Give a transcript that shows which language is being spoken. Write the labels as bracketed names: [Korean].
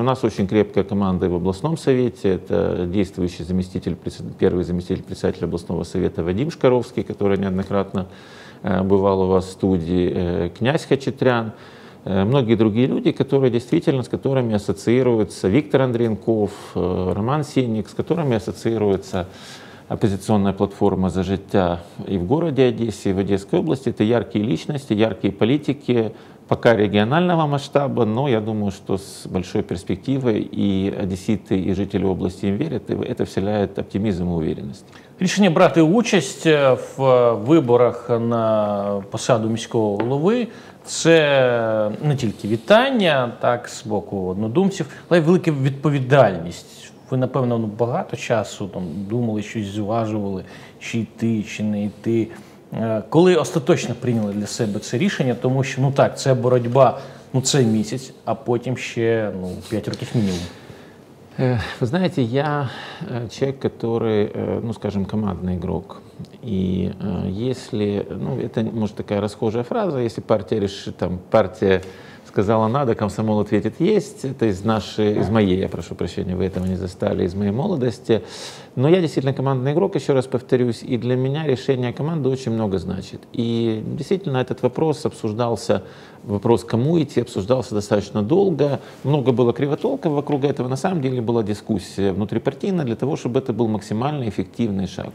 [Russian] У нас очень крепкая команда и в областном совете. Это действующий первый заместитель председателя областного совета Вадим Шкаровский, который неоднократно бывал у вас в студии, князь Хачатрян, многие другие люди, которые действительно, с которыми ассоциируются Виктор Андреенков, Роман Сенник, с которыми ассоциируется оппозиционная платформа «За життя» и в городе Одессе, и в Одесской области. Это яркие личности, яркие политики, пока регионального масштаба, но я думаю, что с большой перспективой и одесситы, и жители области им верят, и это вселяет оптимизм и уверенность. [Ukrainian] Рішення брати участь в виборах на посаду міського голови – це не тільки вітання, так, з боку однодумців, але й велика відповідальність. Ви, напевно, багато часу там думали, щось зважували, чи йти, чи не йти. Коли остаточно прийняли для себе це рішення, тому що, ну так, це боротьба, ну це місяць, а потім ще, ну, 5 років мінімум. Ви знаєте, я чоловік, який, ну, скажімо, командний ігрок. І якщо, ну, це, може, така розхожа фраза, якщо партія рішить, там, партія сказала [Russian] «надо», комсомол ответит «есть». Это из нашей, из моей, я прошу прощения, вы этого не застали, из моей молодости. Но я действительно командный игрок, еще раз повторюсь, и для меня решение команды очень много значит. И действительно этот вопрос обсуждался, вопрос «кому идти» обсуждался достаточно долго. Много было кривотолков вокруг этого. На самом деле была дискуссия внутрипартийная для того, чтобы это был максимально эффективный шаг.